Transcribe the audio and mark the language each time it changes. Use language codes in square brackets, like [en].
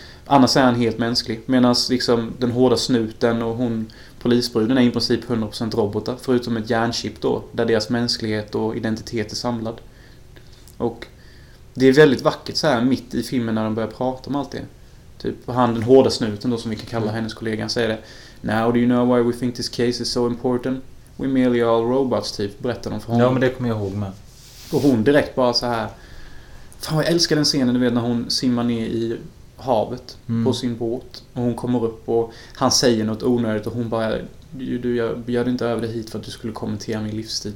[sv] Annars är han helt mänsklig. Medan liksom den hårda snuten och hon, polisbruden, är i princip 100% robotar. Förutom ett hjärnchip då, där deras mänsklighet och identitet är samlad. Och det är väldigt vackert så här mitt i filmen när de börjar prata om allt det. Typ han, den hårda snuten då, som vi kan kalla hennes kollega, säger det. [en] Now do you know why we think this case is so important? We merely are all robots, [sv] typ, berättar de för honom. Ja, men det kommer jag ihåg med. Och hon direkt bara så här. Fan, jag älskar den scenen, du vet, när hon simmar ner i havet på sin båt och hon kommer upp och han säger något onödigt och hon bara, jag bjöd inte över det hit för att du skulle kommentera min livsstil.